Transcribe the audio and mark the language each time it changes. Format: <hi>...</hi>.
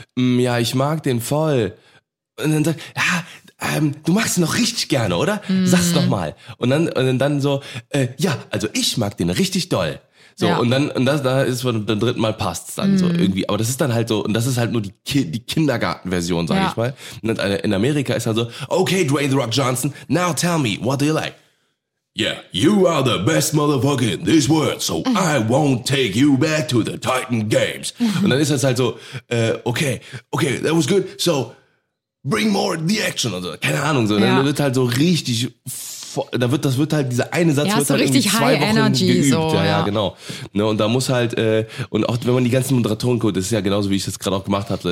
<de>Ja, ich mag den voll. Und dann sagt, ja, du magst ihn noch richtig gerne, oder? Sag's doch mal. Und dann ich mag den richtig doll. So, ja. Und dann dritten Mal passt's dann so irgendwie. Aber das ist dann halt so, und das ist halt nur die Kindergartenversion, sag ich mal. Und in Amerika ist halt so,</de> <en>okay, Dwayne The Rock Johnson, now tell me, what do you like? Yeah, you are the best motherfucker in this world, so I won't take you back to the Titan Games.</en> <de>Und dann ist das halt so, okay,</de> <en>that was good, so bring more the action</en> <de>oder so. Keine Ahnung, so. Ja. Dann wird halt so richtig, dieser eine Satz wird halt irgendwie zwei Wochen geübt. Ja, genau. Ne, und da muss halt, und auch wenn man die ganzen Moderatoren guckt, das ist ja genauso, wie ich das gerade auch gemacht habe, so.</de>